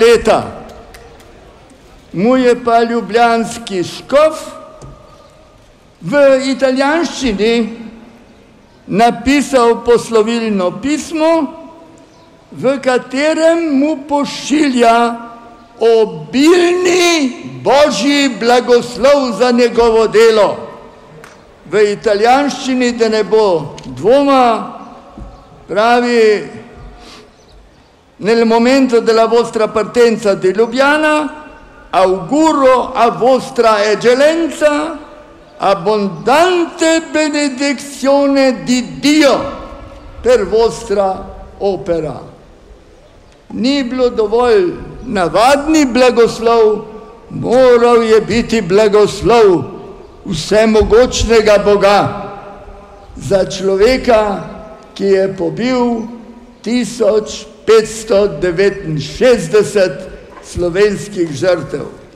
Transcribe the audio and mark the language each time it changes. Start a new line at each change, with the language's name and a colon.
Slovenian: leta, mu je pa ljubljanski škof v italijanščini napisal poslovilno pismo, v katerem mu pošilja obilni Božji blagoslov za njegovo delo. V italijanščini, da ne bo dvoma, pravi:
Italian: nel momento della vostra partenza di Ljubljana auguro a vostra eccellenza abbondante benedizione di Dio per vostra opera.
Slovenian: Niblo dovol navadni blagoslov, moral je biti blagoslov vsemogočnega Boga za človeka, ki je pobil 1569 slovenskih žrtev.